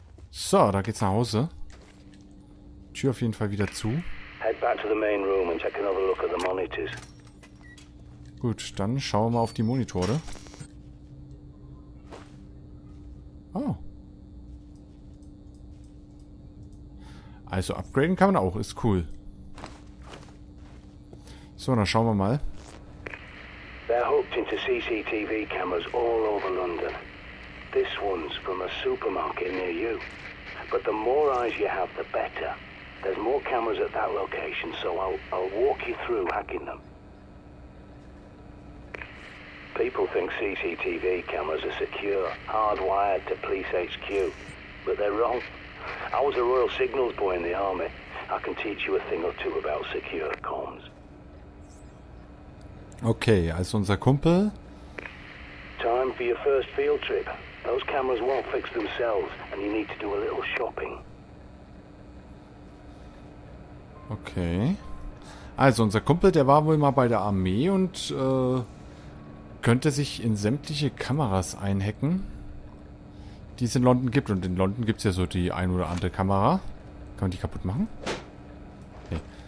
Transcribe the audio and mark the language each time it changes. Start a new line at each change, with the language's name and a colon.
German: So, da geht's nach Hause. Tür auf jeden Fall wieder zu.
English: Head back to the main room and take another look at the monitors.
German: Gut, dann schauen wir mal auf die Monitore. Oh. Also upgraden kann man auch, ist cool. So, dann schauen wir mal.
English: They're hooked into CCTV cameras all over London. This one's from a supermarket near you. But the more eyes you have, the better. There's more cameras at that location, so I'll walk you through hacking them. People think CCTV cameras are secure, hardwired to police HQ, but they're wrong. I was a Royal Signals boy in the army. I can teach you a thing or two about secure comms.
German: Okay, also unser Kumpel.
English: Time for your first field trip. Those cameras won't fix themselves, and you need to do a little shopping. Okay.
German: Also unser Kumpel, der war wohl mal bei der Armee und könnte sich in sämtliche Kameras einhacken, die es in London gibt. Und in London gibt es ja so die ein oder andere Kamera. Kann man die kaputt machen? Nee.